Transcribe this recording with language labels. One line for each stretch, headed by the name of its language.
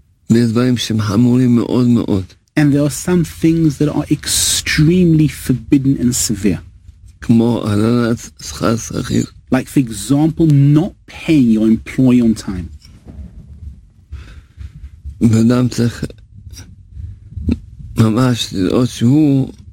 Hebrew: בדברים שהם חמורים מאוד מאוד.
English: And there are some things that are extremely forbidden and severe.
Hebrew: כמו הלנת שכר שכיר.
English: Like, for example, not paying your employee on time.
Hebrew: ואדם צריך ממש לראות שהוא...